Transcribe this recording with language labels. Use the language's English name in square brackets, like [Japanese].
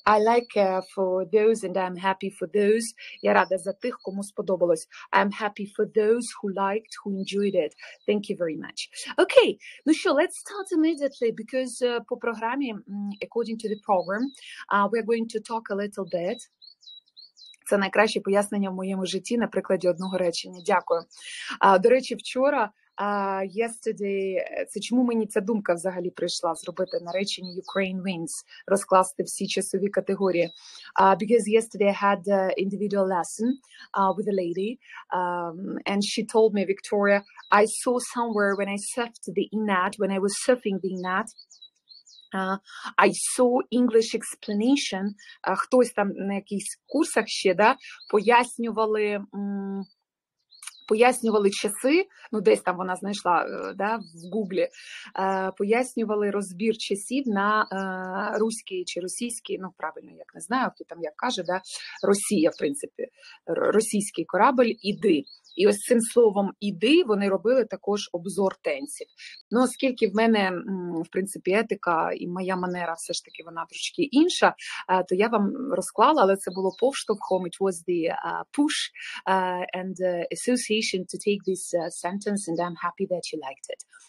[English] I like for those and I'm happy for those. [Ukrainian] Я рада за тих, кому сподобалось. [English] I'm happy for those who liked, who enjoyed it. Thank you very much. Okay, [Ukrainian] ну що, [English] let's start immediately, because [Ukrainian] по програмі, [English] according to the program, we're going to talk a little bit. [Ukrainian] Це найкраще пояснення в моєму житті на прикладі одного речення. Дякую. До речі, вчора, [English] yesterday, [Ukrainian] це чому мені ця думка взагалі прийшла зробити на реченні [English] Ukraine wins, [Ukrainian] розкласти всі часові категорії. [English] Because yesterday I had an individual lesson with a lady, and she told me, Victoria, I saw somewhere when I surfed the internet, when I was surfing the internet, I saw English explanation, [Ukrainian] хтось там на якихось курсах ще, да, пояснювали пояснювали часи, ну десь там вона знайшла, да, в Гуглі, пояснювали розбір часів на руські чи російські, ну правильно, як не знаю, хто там як каже, да, Росія, в принципі, російський корабль «Іди». І ось цим словом «Іди» вони робили також обзор тенсів. Ну, оскільки в мене, в принципі, етика і моя манера все ж таки вона трошки інша, то я вам розклала, але це було повштовхом. [English] It was the push and association to take this sentence, and I'm happy that you liked it.